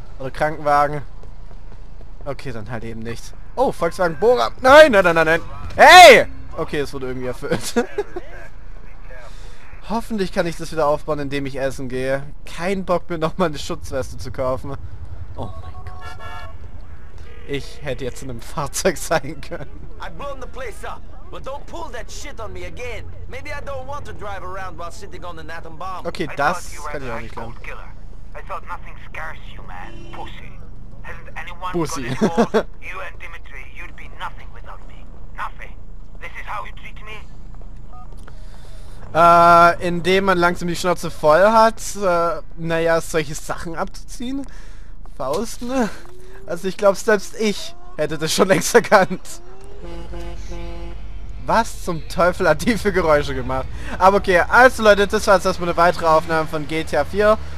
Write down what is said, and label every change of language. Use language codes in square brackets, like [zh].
[de] Oder Krankenwagen? Okay, dann halt eben nicht. Oh, Volkswagen Bora. Nein, nein, nein, nein, nein. Hey! Okay, es wurde irgendwie erfüllt. Hoffentlich kann ich das wieder aufbauen, indem ich essen gehe. Kein Bock mir nochmal eine Schutzweste zu kaufen. Oh mein Gott. Ich hätte jetzt in einem Fahrzeug sein können. [en] But don't pull that shit on me again. Maybe I don't want to drive around while sitting on an atom bomb. [de] Okay, das kann ich auch nicht glauben. [en] I thought nothing scares you, man. Pussy. Hasn't anyone got involved? You and Dimitri, you'd be nothing without me. Nothing. This is how you treat me? [de] Indem man langsam die Schnauze voll hat, naja, solche Sachen abzuziehen. Faust, ne? Also ich glaube, selbst ich hätte das schon längst erkannt. Was zum Teufel hat die für Geräusche gemacht? Aber okay, also Leute, das war jetzt erstmal eine weitere Aufnahme von GTA 4.